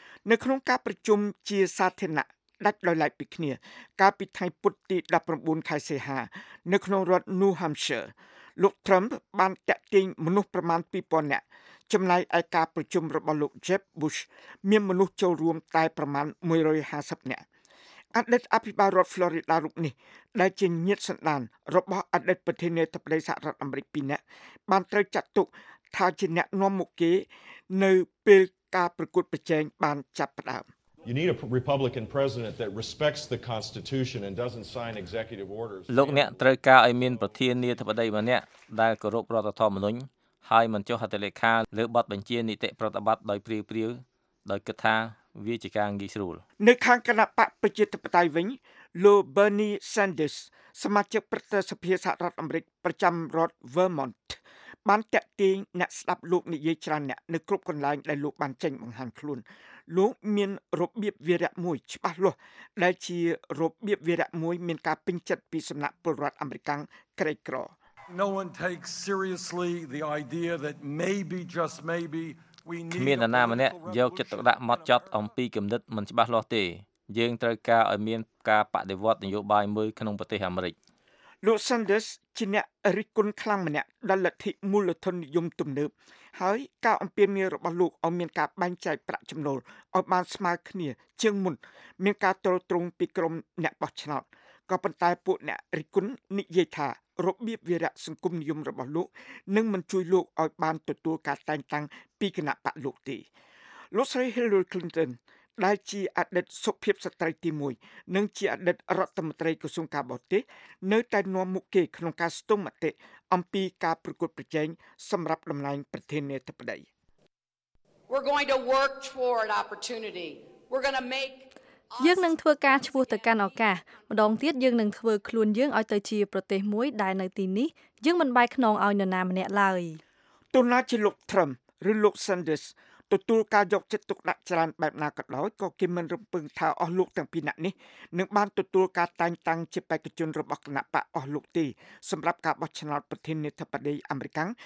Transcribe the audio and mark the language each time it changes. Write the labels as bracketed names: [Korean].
[Khmer] នៅក្នុងការប្រជុំជាសាធារណៈដាច់ដោយឡែកពីគ្នាកាលពីថ្ងៃពុធទី19ខែសីហានៅក្នុងរដ្ឋ New Hampshire លោក Trump បានតាក់ទាញមនុស្សប្រមាណ 2,000 នាក់ចំណែកឯការប្រជុំរបស់លោក Jeb Bush មានមនុស្សចូលរួមតែប្រមាណ150នាក់ អតីតអភិបាលរដ្ឋ Florida រូបនេះដែលជាញាតិសន្តានរបស់អតីតប្រធានាធិបតីសហរដ្ឋអាមេរិក2នាក់បានត្រូវចាត់ទុកថាជាអ្នកនាំមុខគេនៅពេលការប្រកួតប្រជែងបានចាប់ផ្ដើម [English] You need a Republican president that respects the Constitution and doesn't sign executive orders. [Khmer] លោកអ្នកត្រូវការឲ្យមានប្រធានាធិបតីម្នាក់ដែលគោរពរដ្ឋធម្មនុញ្ញហើយមិនចុះហត្ថលេខាលើបទបញ្ជានីតិប្រតិបត្តិដោយព្រាវព្រាវដោយគិតថាវាជាការងាយស្រួល នៅខាងគណៈបកប្រជាធិបតេយ្យវិញលោក Bernie Sanders សមាជិកប្រតិសភាសហរដ្ឋអាមេរិកប្រចាំរដ្ឋ Vermont បានតាក់ទាញអ្នកស្ដាប់លោកនិយាយច្រើនអ្នកនៅគ្រប់កន្លែងដែលលោកបានចេញបង្ហាញខ្លួនលោកមានរបៀបវារៈមួយច្បាស់លាស់ដែលជារបៀបវារៈមួយមានការពេញចិត្តពីសំណាក់ពលរដ្ឋអាមេរិកក្រីក្រ [English] No one takes seriously the idea that maybe just maybe we need [Khmer] គ្មានណាម្នាក់យកចិត្តទុកដាក់មកចត់អំពីគំនិតមិនច្បាស់លាស់ទេយើងត្រូវការឲ្យមានការបដិវត្តនយោបាយមួយក្នុងប្រទេសអាមេរិក លោក Sanders ជាអ្នករិះគន់ខ្លាំងម្នាក់ដល់លទ្ធិមូលដ្ឋាននិយមទំនើបហើយការអំពាវនាវរបស់លោកឲ្យមានការបែងចែកប្រាក់ចំណូលឲ្យបានស្មើគ្នាជាងមុនមានការទ្រទ្រង់ពីក្រុមអ្នកបោះឆ្នោតក៏ប៉ុន្តែពួកអ្នករិះគន់និយាយថារបៀបវារៈសង្គមនិយមរបស់លោកនឹងមិនជួយលោកឲ្យបានទទួលការតែងតាំងពីគណៈបក្សលោកទេ លោកស្រី Hillary Clinton ដែលជាអតីតសុភាពស្ត្រីទី1និងជាអតីតរដ្ឋមន្ត្រីក្រសួងការបរទេសនៅតែនាំមុខគេក្នុងការស្ទង់មតិអំពីការប្រកួតប្រជែងសម្រាប់តំណែងប្រធានាធិបតី [English] We're going to work toward opportunity. We're going to make [Khmer] យើងនឹងធ្វើការឆ្ពោះទៅកាន់ឱកាសម្ដងទៀតយើងនឹងធ្វើខ្លួនយើងឲ្យទៅជាប្រទេសមួយដែលនៅទីនេះយើងមិនបែកខ្នងឲ្យនរណាម្នាក់ឡើយ ទោះណាជាលោក Trump ឬលោក Sanders ទទួលការយកចិត្តទុកដាក់ច្រើនបែបណាក៏ដោយក៏គេមិនរំពឹងថាអស់លោកទាំងពីរនេះនឹងបានទទួលការតែងតាំងជាបេក្ខជនរបស់គណៈបកអស់លោកទីសម្រាប់ការបោះឆ្នោតប្រធានាធិបតីអាមេរិក